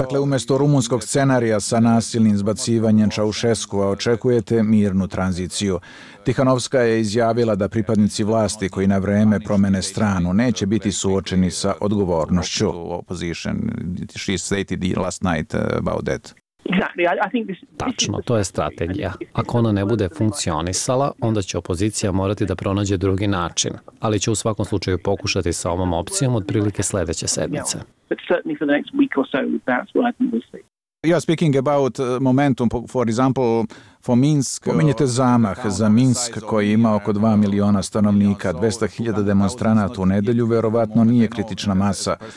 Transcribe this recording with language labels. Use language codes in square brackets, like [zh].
[sr] Dakle, umjesto rumunskog scenarija sa nasilnim zbacivanjem Ceausescu, očekujete mirnu tranziciju. Tihanovska je izjavila da pripadnici vlasti koji na vreme promene stranu neće biti suočeni sa odgovornošću. [en] Opposition, she stated last night about that. [sr] Tačno, to je strategija. Ako ona ne bude funkcionisala, onda će opozicija morati da pronađe drugi način. Ali će u svakom slučaju pokušati sa ovom opcijom otprilike sljedeće sedmice. [en] You are speaking about momentum, for example, for Minsk. [sr] Pominjete zamah za Minsk koji ima oko 2 miliona stanovnika, 200.000 demonstranata u nedjelju, verovatno nije kritična masa.